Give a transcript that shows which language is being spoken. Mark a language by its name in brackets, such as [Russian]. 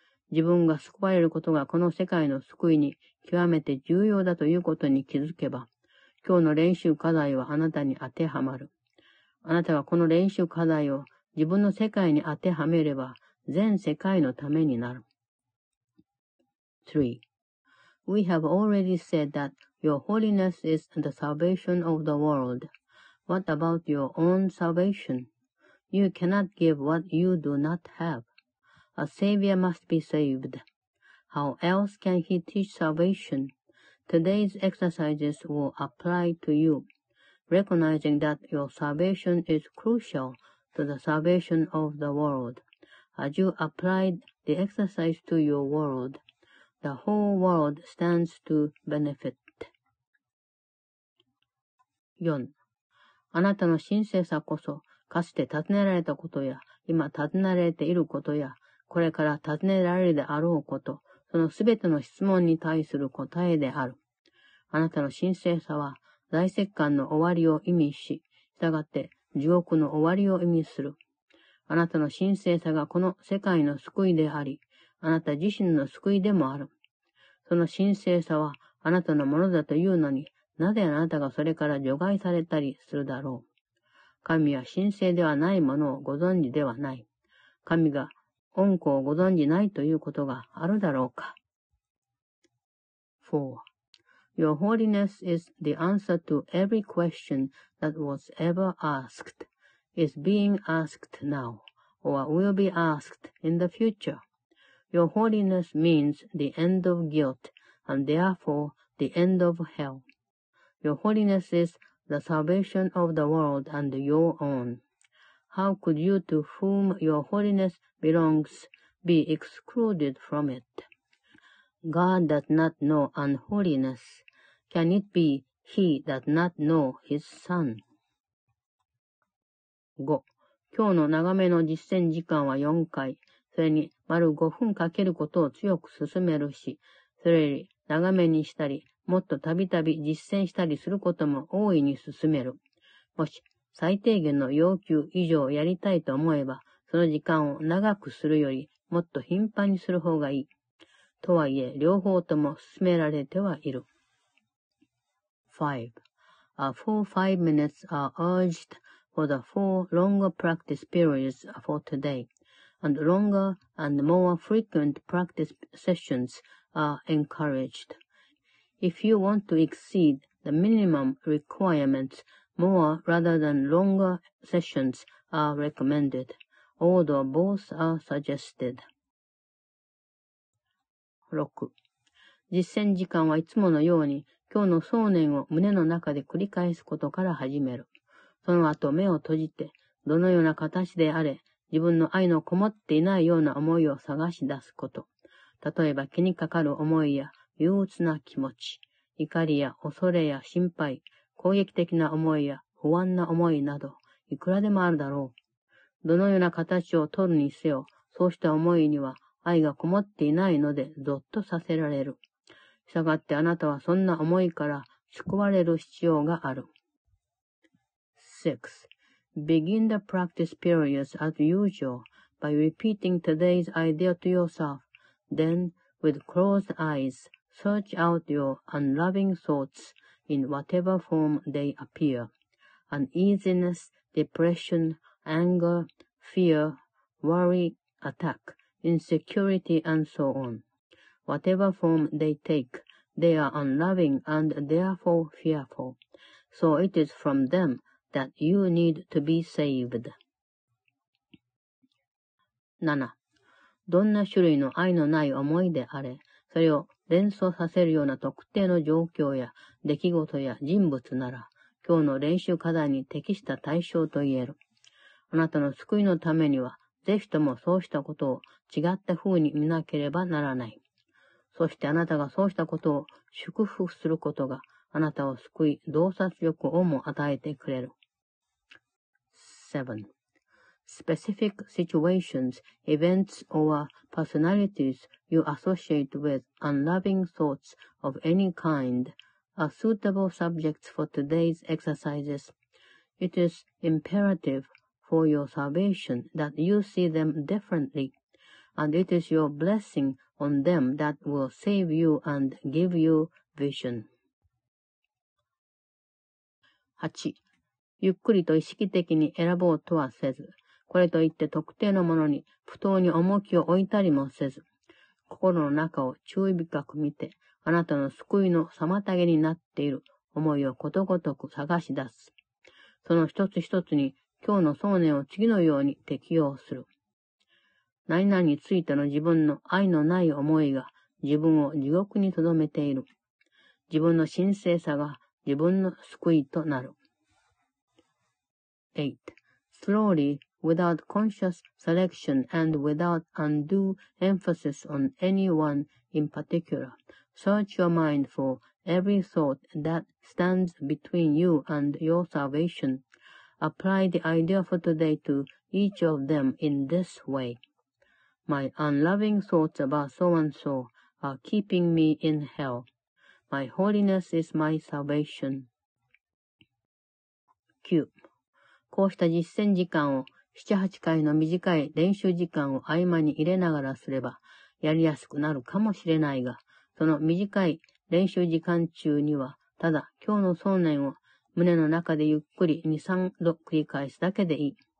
[Japanese] 自分が救われることがこの世界の救いに極めて重要だということに気づけば、今日の練習課題はあなたに当てはまる。あなたがこの練習課題を自分の世界に当てはめれば、全世界のためになる。 [English] 3. We have already said that your holiness is the salvation of the world. What about your own salvation?You cannot give what you do not have. A savior must be saved. How else can he teach salvation? Today's exercises will apply to you, recognizing that your salvation is crucial to the salvation of the world. As you apply the exercise to your world, the whole world stands to benefit. [Japanese] 4. あなたの神聖さこそ、かつて尋ねられたことや、今尋ねられていることや、これから尋ねられるであろうこと、そのすべての質問に対する答えである。あなたの神聖さは、大説教の終わりを意味し、したがって地獄の終わりを意味する。あなたの神聖さがこの世界の救いであり、あなた自身の救いでもある。その神聖さは、あなたのものだというのに、なぜあなたがそれから除外されたりするだろう。神は神聖ではないものをご存知ではない。神が恩子をご存知ないということがあるだろうか。 [English] 4. Your holiness is the answer to every question that was ever asked, is being asked now, or will be asked in the future. Your holiness means the end of guilt, and therefore the end of hell. Your holiness is the salvation of the world and your own. How could you to whom your holiness belongs be excluded from it? God does not know unholiness. Can it be he does not know his son? [Japanese] 5. 今日の長めの実践時間は4回、それに丸5分かけることを強く勧めるし、それより長めにしたり、もっとたびたび実践したりすることも大いに進める。もし最低限の要求以上やりたいと思えば、その時間を長くするよりもっと頻繁にする方がいい。とはいえ、両方とも進められてはいる。 [English] 5. Four 5 minutes are urged for the four longer practice periods for today, and longer and more frequent practice sessions are encouraged. If you want to exceed the minimum requirements, more rather than longer sessions are recommended, although both are suggested. [Japanese] 6. 実践時間はいつものように、今日の想念を胸の中で繰り返すことから始める。その後目を閉じて、どのような形であれ、自分の愛のこもっていないような思いを探し出すこと。例えば気にかかる思いや、憂鬱な気持ち、怒りや恐れや心配、攻撃的な思いや不安な思いなど、いくらでもあるだろう。どのような形をとるにせよ、そうした思いには愛がこもっていないので、ゾッとさせられる。したがってあなたはそんな思いから救われる必要がある。 [English] 6. Begin the practice periods as usual by repeating today's idea to yourself. Then, with closed eyes,Search out your unloving thoughts in whatever form they appear. Uneasiness, depression, anger, fear, worry, attack, insecurity, and so on. Whatever form they take, they are unloving and therefore fearful. So it is from them that you need to be saved. [Japanese] 7. どんな種類の愛のない思いであれ、それを連想させるような特定の状況や出来事や人物なら、今日の練習課題に適した対象と言える。あなたの救いのためには、ぜひともそうしたことを違った風に見なければならない。そしてあなたがそうしたことを祝福することが、あなたを救い、洞察力をも与えてくれる。 [English] 7. Specific situations, events or personalities,You associate with unloving thoughts of any kind are suitable subjects for today's exercises. It is imperative for your salvation that you see them differently, and it is your blessing on them that will save you and give you vision. [Japanese] 8. ゆっくりと意識的に選ぼうとはせず、これといって特定のものに不当に重きを置いたりもせず、心の中を注意深く見て、あなたの救いの妨げになっている思いをことごとく探し出す。その一つ一つに今日の想念を次のように適用する。何々についての自分の愛のない思いが自分を地獄に留めている。自分の神聖さが自分の救いとなる。 [English] 8. Slowly, without conscious selection and without undue emphasis on any one in particular, search your mind for every thought that stands between you and your salvation. Apply the idea for today to each of them in this way. My unloving thoughts about so-and-so are keeping me in hell. My holiness is my salvation. [Japanese] 9. こうした実践時間を7、8回の短い練習時間を合間に入れながらすればやりやすくなるかもしれないが、その短い練習時間中にはただ今日の想念を胸の中でゆっくり2、3度繰り返すだけでいい。